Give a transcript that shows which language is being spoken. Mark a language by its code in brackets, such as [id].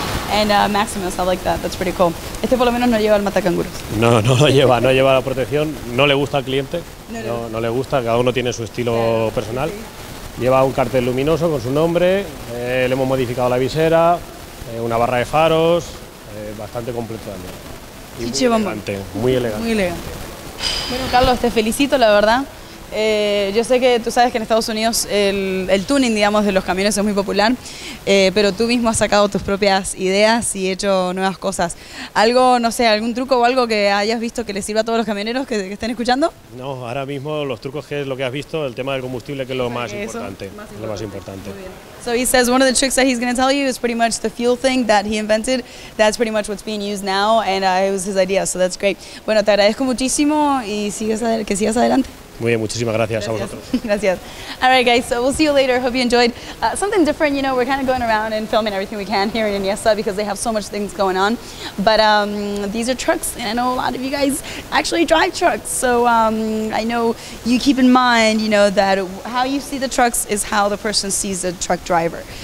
[en] And Maximus, I like that, that's pretty cool. [es] Este por lo menos no lleva el matacanguros. No, no lo lleva, no lleva la protección, no le gusta al cliente, no le gusta, cada uno tiene su estilo personal. Lleva un cartel luminoso con su nombre, le hemos modificado la visera, una barra de faros, bastante completo también. Y muy elegante. Bueno, Carlos, te felicito, la verdad. Yo sé que tú sabes que en Estados Unidos el tuning, digamos, de los camiones es muy popular, pero tú mismo has sacado tus propias ideas y hecho nuevas cosas. ¿Algo, no sé, algún truco o algo que hayas visto que le sirva a todos los camioneros que estén escuchando? No, ahora mismo los trucos que es lo que has visto, el tema del combustible, que es lo más importante. Lo más importante. [en] So he says one of the tricks that he's going to tell you is pretty much the fuel thing that he invented. That's pretty much what's being used now and it was his idea, so that's great. [es] Bueno, te agradezco muchísimo y que sigas adelante. Muy bien, muchísimas gracias, gracias a vosotros. Gracias. [en] All right, guys, so we'll see you later. Hope you enjoyed something different. You know, we're kind of going around and filming everything we can here in Iniesta because they have so much things going on. But these are trucks, and I know a lot of you guys actually drive trucks. So I know you keep in mind, you know, that how you see the trucks is how the person sees the truck driver.